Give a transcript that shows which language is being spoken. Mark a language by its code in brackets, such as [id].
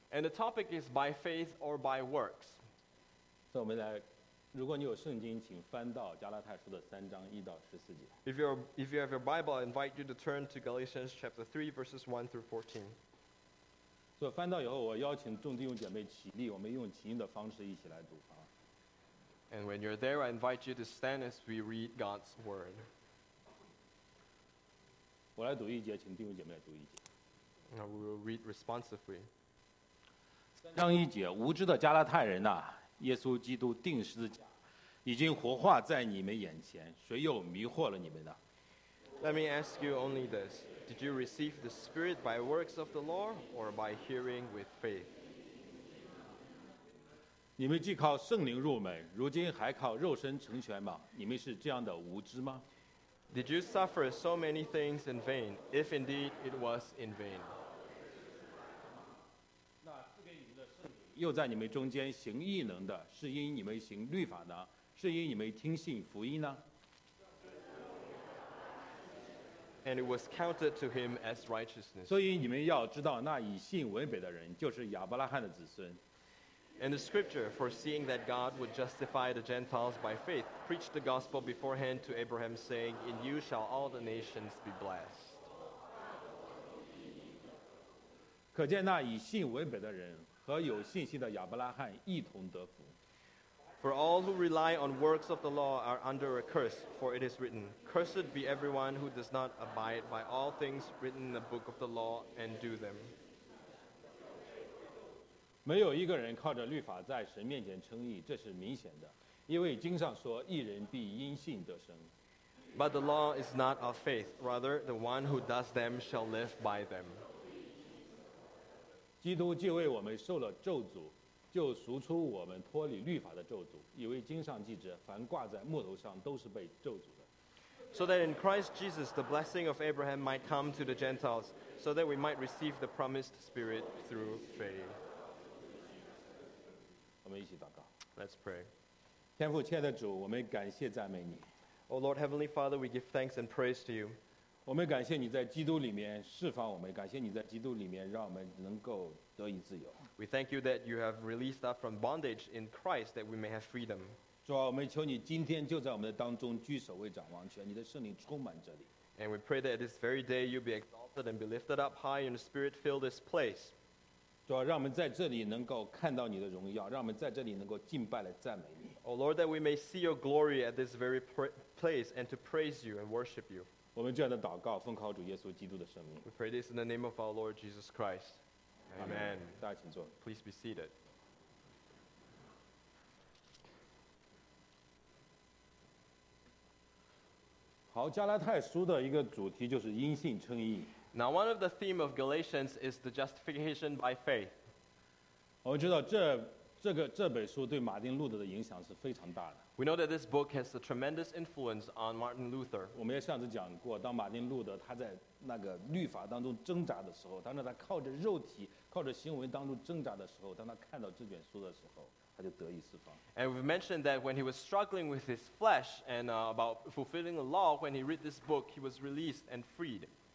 [en] ？And the topic is by faith or by works. [zh] 所以我们来，如果你有圣经，请翻到加拉太书的3:1-14。 [en] If you have your Bible, I invite you to turn to Galatians chapter 3:1-14. [zh] 所以翻到以后，我邀请众弟兄姐妹起立，我们用起立的方式一起来读啊。 [en] And when you're there, I invite you to stand as we read God's word. [zh] 我来读一节，请弟兄姐妹读一节。 [en] Now we will read responsively. [zh] 3:1，无知的加拉太人呐、啊，耶稣基督钉十字架，已经活化在你们眼前，谁又迷惑了你们呢 [en] ？Let me ask you only this. Did you receive the Spirit by works of the law or by hearing with faith? [zh] 你们既靠圣灵入门，如今还靠肉身成全吗？你们是这样的无知吗？ [en] Did you suffer so many things in vain, if indeed it was in vain? [zh] 那赐给你们的圣灵，又在你们中间行异能的，是因你们行律法呢？是因你们听信福音呢？ [en] And it was counted to him as righteousness. [zh] 所以你们要知道，那以信为本的人就是亚伯拉罕的子孙。 [en] And the scripture, foreseeing that God would justify the Gentiles by faith, preached the gospel beforehand to Abraham, saying, "In you shall all the nations be blessed." [zh] 可见那以信为本的人和有信心的亚伯拉罕一同得福。 [en] For all who rely on works of the law are under a curse, for it is written, Cursed be everyone who does not abide by all things written in the book of the law and do them. [zh] 没有一个人靠着律法在神面前称义，这是明显的，因为经上说，义人必因信得生。 [en] But the law is not of faith, rather, the one who does them shall live by them. [zh] 基督既为我们受了咒诅。就赎出我们脱离律法的咒诅，以为经上记着，凡挂在木头上都是被咒诅的。 [en] So that in Christ Jesus the blessing of Abraham might come to the Gentiles, so that we might receive the promised Spirit through faith. [zh] 我们一起祷告。 [en] Let's pray. [zh] 天父，亲爱的主，我们感谢赞美你。 [en] O Lord, Heavenly Father, we give thanks and praise to you. [zh] 我们感谢你在基督里面释放我们，感谢你在基督里面让我们能够得以自由。 [en] We thank you that you have released us from bondage in Christ that we may have freedom. [zh] 主啊，我们求你今天就在我们的当中居首位掌王权，你的圣灵充满这里。 [en] And we pray that this very day you be exalted and be lifted up high and the Spirit fill this place. [zh] 主啊，让我们在这里能够看到你的荣耀，让我们在这里能够敬拜来赞美你。 [en] Oh Lord, that we may see your glory at this very place and to praise you and worship you. [zh] 我们这样的祷告，奉靠主耶稣基督的圣名。 [en] We pray this in the name of our Lord Jesus Christ. Amen. [zh] 大家请坐。 [en] Please be seated. [zh] 好，加拉太书的一个主题就是因信称义。 [en] Now, one of the theme of Galatians is the justification by faith. [zh] 我们知道这本书对马丁路德的影响是非常大的。 [en] We know that this book has a tremendous influence on Martin Luther. [zh] 我们也上次讲过，当马丁路德他在那个律法当中挣扎的时候，当他靠着肉体、靠着行为当中挣扎的时候，当他看到这卷书的时候，他就得以释放。 [en] And we've mentioned that when he was struggling with his flesh and about fulfilling the law, when he read this book, he was released and freed.